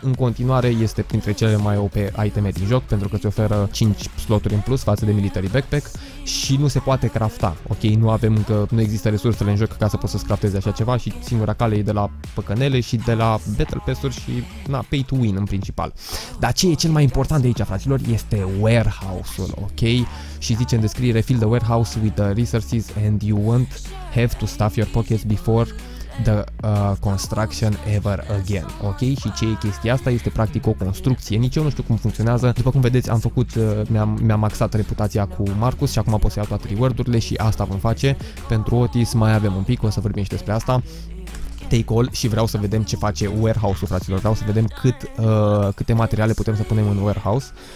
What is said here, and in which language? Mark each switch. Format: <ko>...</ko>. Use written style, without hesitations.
<ro>În continuare este printre cele mai OP iteme din joc, pentru că îți oferă 5 sloturi în plus față de military backpack și nu se poate crafta, ok? Nu avem încă, nu există resursele în joc ca să poți să crafteze așa ceva și singura cale e de la păcănele și de la battle pass-uri și, na, pay to win în principal. Dar ce e cel mai important de aici, fraților, este warehouse-ul, ok? Și zice în descriere,</ro> <en>fill the warehouse with the resources and you want... have to stuff your pockets before the construction ever again, ok?</en> <ro>Și ce e chestia asta? Este practic o construcție, nici eu nu știu cum funcționează. După cum vedeți, am făcut, mi-am maxat reputația cu Marcus și acum pot să iau toate reward-urile și asta vom face. Pentru Otis mai avem un pic, o să vorbim și despre asta.</ro> <en>Take all</en> <ro>și vreau să vedem ce face warehouse-ul, fraților. Vreau să vedem câte materiale putem să punem în warehouse.</ro>